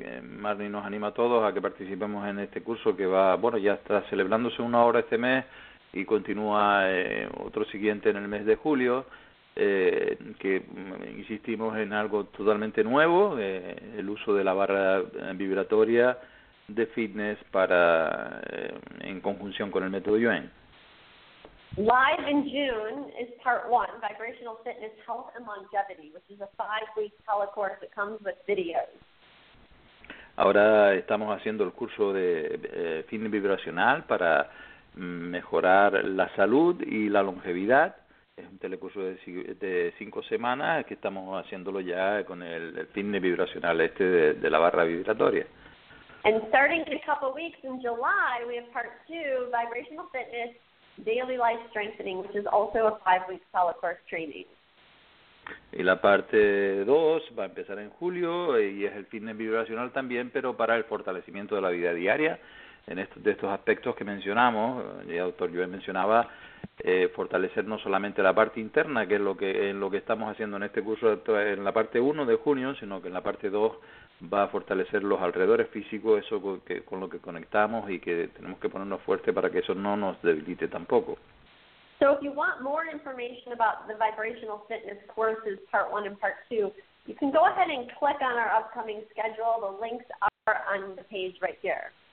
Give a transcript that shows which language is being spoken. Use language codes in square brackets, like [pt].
[es] Marnie nos anima a todos a que participemos en este curso que va, bueno, ya está celebrándose una hora este mes y continúa otro siguiente en el mes de julio, que insistimos en algo totalmente nuevo, el uso de la barra vibratoria de fitness para en conjunción con el método UN. [en] Live in June is part one, Vibrational Fitness, Health and Longevity, which is a 5-week telecourse that comes with videos. [es] Ahora estamos haciendo el curso de fitness vibracional para mejorar la salud y la longevidad. Es un telecurso de 5 semanas que estamos haciéndolo ya con el fitness vibracional este de la barra vibratoria. [en] And starting in a couple weeks in July, we have part two, Vibrational Fitness, Daily Life Strengthening, which is also a 5-week telecourse training. [es] Y la parte 2 va a empezar en julio y es el fitness vibracional también, pero para el fortalecimiento de la vida diaria. En estos, de estos aspectos que mencionamos, y el doctor Joel mencionaba, fortalecer no solamente la parte interna, que es lo que en lo que estamos haciendo en este curso en la parte 1 de junio, sino que en la parte 2 va a fortalecer los alrededores físicos, eso con lo que conectamos y que tenemos que ponernos fuerte para que eso no nos debilite tampoco. [en] So if you want more information about the Vibrational Fitness courses part 1 and part 2, you can go ahead and click on our upcoming schedule. The links are on the page right here.